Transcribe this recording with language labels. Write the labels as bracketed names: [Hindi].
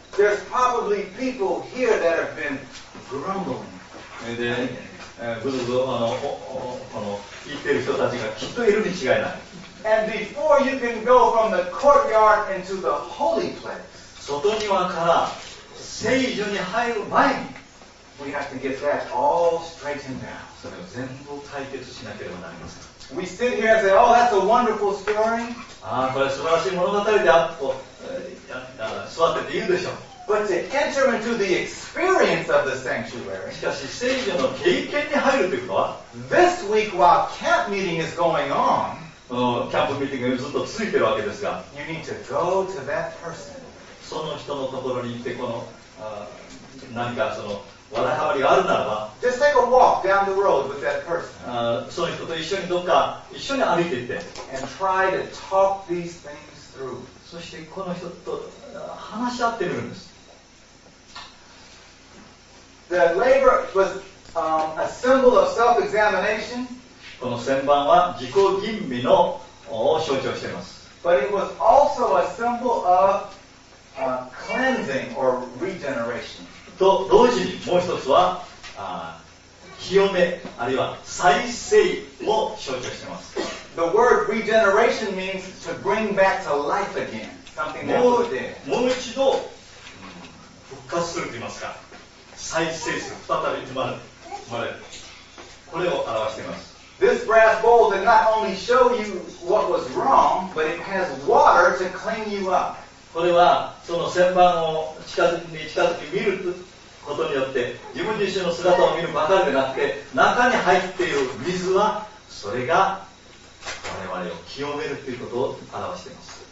[English] There's probably people here that have been grumbling. [Japanese] で、ぐずぐずこの言ってる人たちがきっといるに違いない。 [English] And before you can go from the courtyard into the holy place, [Japanese] 外庭から聖所に入る前に、 [English] we have to get that all straightened out. [Japanese] それを全部解決しなければなりません。 [English] We sit here and say, oh, that's a wonderful story. [Japanese] ああ、これ素晴らしい物語であると、座ってて言うでしょう。 [English] But to enter into the experience of the sanctuary, [Japanese] しかし聖所の経験に入るということは、 [English] this week while camp meeting is going on, [Japanese] キャンプミーティングがずっと続いてるわけですが、 [English] you need to go to that person. [Japanese] その人のところに行って、この何かそのわだかまりがあるならば、 [English] just take a walk down the road with that person. [Japanese] その人と一緒にどっか一緒に歩いていって、 [English] and try to talk these things through. [Japanese] そしてこの人と話し合ってみるんです。 [English] The labor was a symbol of self-examination. [Japanese] この旋盤は自己吟味のを象徴しています。 [English] But it was also a symbol of cleansing or regeneration. [Japanese] と同時にもう一つは清めあるいは再生を象徴しています。 [English] The word regeneration means to bring back to life again. Something that [Japanese] もう一度復活すると言いますか。再生する。再び生まれる。これを表しています。 [English] This brass bowl did not only show you what was wrong, but it has water to clean you up. [Japanese] これはその旋盤を近づき見ることによって自分自身の姿を見るばかりでなくて中に入っている水はそれが我々を清めるということを表しています。